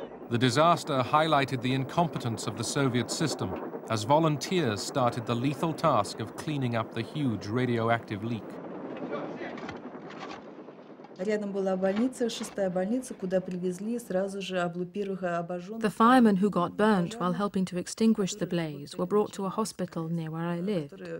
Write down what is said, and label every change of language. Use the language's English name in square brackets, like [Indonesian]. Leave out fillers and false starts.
[English] The disaster highlighted the incompetence of the Soviet system, as volunteers started the lethal task of cleaning up the huge radioactive leak. [Russian] Рядом была больница, шестая больница, куда привезли сразу же облупившего обожженного. [English] The firemen who got burnt while helping to extinguish the blaze were brought to a hospital near where I lived.